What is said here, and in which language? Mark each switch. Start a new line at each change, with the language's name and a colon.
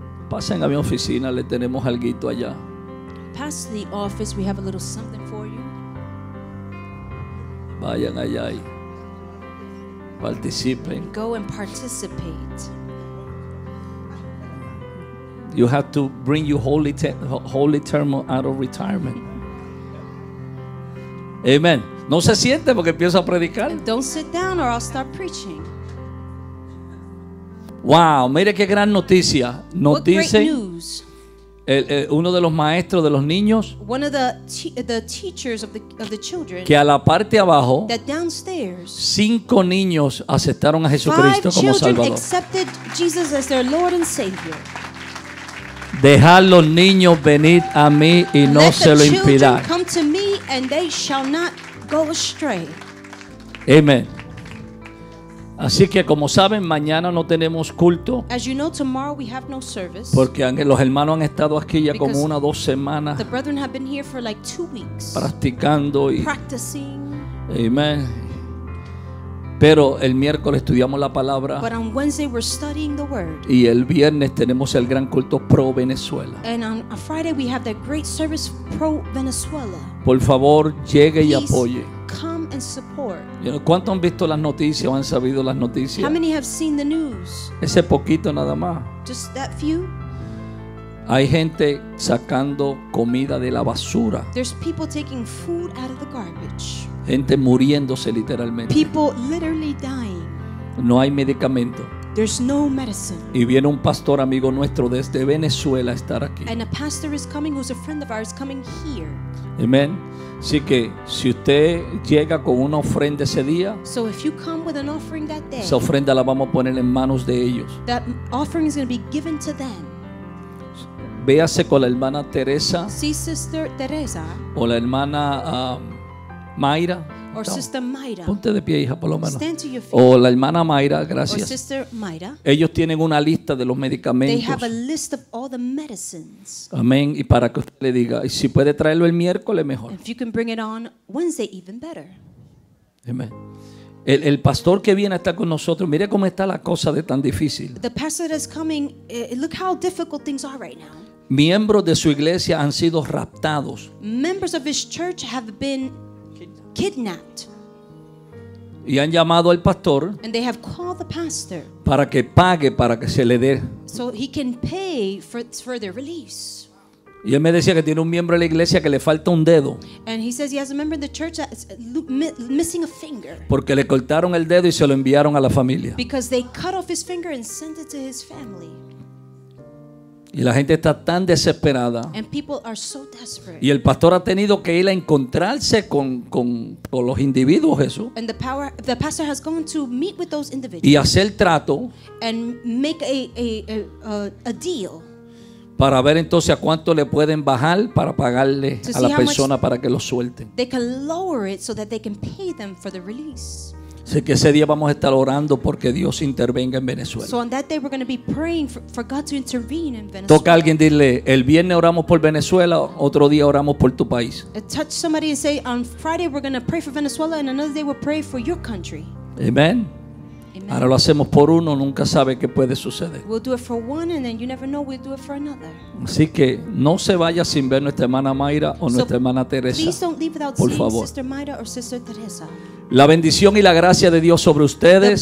Spanish: Pasen a mi oficina, le tenemos algo allá.
English: Pass the office, we have a little something for you.
Spanish: Vayan allá y participen.
English: Go and participate. You have to bring your holy term out of retirement.
Spanish: Amen. No se siente porque empiezo a predicar.
English: Don't sit down or I'll start preaching.
Spanish: Wow, mire qué gran noticia.
English: What great news.
Spanish: uno de los maestros de los niños,
English: one of the teachers of the children,
Spanish: que a la parte abajo,
English: that downstairs,
Spanish: cinco niños aceptaron a Jesucristo como Salvador.
English: Accepted Jesus as their Lord and Savior.
Spanish: Dejar los niños venir a mí y no se lo impidan.
English: Come to me and they shall not go astray. Amen.
Spanish: Así que como saben, mañana no tenemos culto.
English: As you know, tomorrow we have no service.
Spanish: Porque los hermanos han estado aquí ya como una o dos semanas.
English: The brethren have been here for like 2 weeks.
Spanish: Practicando y
English: practicing.
Spanish: Amen. Pero el miércoles estudiamos la palabra.
English: But on Wednesday we're studying the word.
Spanish: Y el viernes tenemos el gran culto pro Venezuela.
English: And on a Friday we have the great service pro Venezuela.
Spanish: Por favor, llegue y apoye.
English: Come and support.
Spanish: ¿Cuántos han visto las noticias o han sabido las noticias?
English: How many have seen the news?
Spanish: Ese poquito nada más.
English: Just that few.
Spanish: Hay gente sacando comida de la basura.
English: There's people taking food out of the garbage.
Spanish: Gente muriéndose literalmente.
English: People literally dying.
Spanish: No hay medicamento.
English: There's no medicine.
Spanish: Y viene un pastor amigo nuestro desde Venezuela a estar aquí.
English: And a pastor is coming who's a friend of ours coming here. Amen.
Spanish: Así que si usted llega con una ofrenda ese día,
English: so if you come with an offering that day,
Spanish: esa ofrenda la vamos a poner en manos de ellos.
English: That offering is going to be given to them.
Spanish: Véase con la hermana Teresa.
English: See Sister Teresa.
Spanish: O la hermana Mayra.
English: Or no. Sister Mayra.
Spanish: Ponte de pie, hija, por lo menos.
English: Stand to your feet.
Spanish: O la hermana Mayra, gracias.
English: Or Sister Mayra.
Spanish: Ellos tienen una lista de los medicamentos.
English: They have a list of all the medicines. Amén.
Spanish: Y para que usted le diga, y si puede traerlo el miércoles, mejor.
English: If you can bring it on Wednesday, even better. Amén.
Spanish: El pastor que viene a estar con nosotros, mire cómo está la cosa de tan difícil.
English: The pastor that's coming, look how difficult things are right now.
Spanish: Miembros de su iglesia han sido raptados.
English: Members of his church have been kidnapped.
Spanish: Y han llamado al pastor.
English: And they have called the pastor.
Spanish: Para que pague, para que se le dé.
English: So he can pay for their release.
Spanish: Y él me decía que tiene un miembro de la iglesia que le falta un dedo.
English: And he says he has a member of the church that's missing a finger.
Spanish: Porque le cortaron el dedo y se lo enviaron a la familia.
English: Because they cut off his finger and sent it to his family.
Spanish: Y la gente está tan desesperada.
English: And people are so desperate.
Spanish: Y el pastor ha tenido que ir a encontrarse con los individuos, Jesús.
English: And the pastor has gone to meet with those individuals.
Spanish: Y hacer trato.
English: And make a deal.
Spanish: Para ver entonces a cuánto le pueden bajar para pagarle a la persona para que lo suelten.
English: They can lower it so that they can pay them for the release.
Spanish: Así que ese día vamos a estar orando porque Dios intervenga en Venezuela.
English: So on that day we're going to be praying for God to intervene in Venezuela.
Spanish: Toca a alguien, dile, el viernes oramos por Venezuela, otro día oramos por tu país.
English: Touch somebody and say, on Friday we're going to pray for Venezuela and another day we'll pray for your country. Amen.
Spanish: Ahora lo hacemos por uno, nunca sabe qué puede suceder.
English: We'll do it for one and then you never know we'll do it for another.
Spanish: Así que no se vaya sin ver nuestra hermana Mayra o nuestra hermana Teresa.
English: Please don't leave without
Spanish: por favor.
English: Sister Mayra or Sister Teresa.
Spanish: La bendición y la gracia de Dios sobre ustedes.